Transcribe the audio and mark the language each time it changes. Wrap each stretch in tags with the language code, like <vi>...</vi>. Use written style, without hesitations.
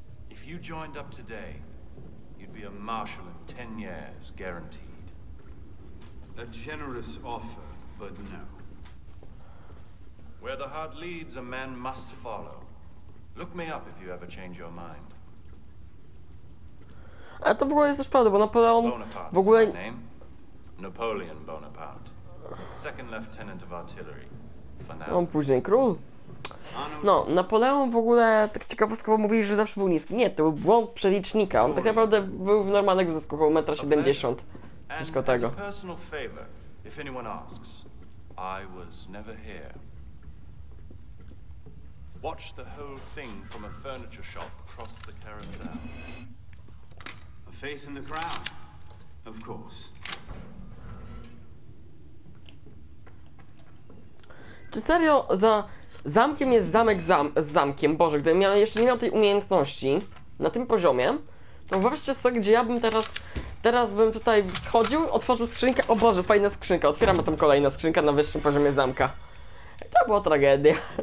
<en>If you joined up today, you'd be a marshal in 10 years, guaranteed. A generous offer, but no. Where the heart leads, a man must follow. Look me up if you ever change your mind.</en> <pl>A to w ogóle jest też prawda, bo Napoleon w ogóle...</pl> <en>Napoleon Bonaparte. Second lieutenant of artillery.</en> <pl>On później król. No, Napoleon w ogóle tak ciekawostkowo mówili, że zawsze był niski. Nie, to był błąd przelicznika. On tak naprawdę był w normalnym wzrostu, około 1,70 m. Coś koło tego.</pl> <en>A personal favor, if anyone asks, I was never here. Watch the whole thing from a furniture shop across the carousel. Face in the crowd, of course.</en> <pl>Czy serio za zamkiem jest zamek z zamkiem? Boże, gdybym jeszcze nie miał tej umiejętności na tym poziomie, to wyobraźcie sobie, gdzie ja bym teraz bym tutaj schodził, otworzył skrzynkę. O Boże, fajna skrzynka, otwieramy tam kolejną skrzynkę na wyższym poziomie zamka. To była tragedia.</pl>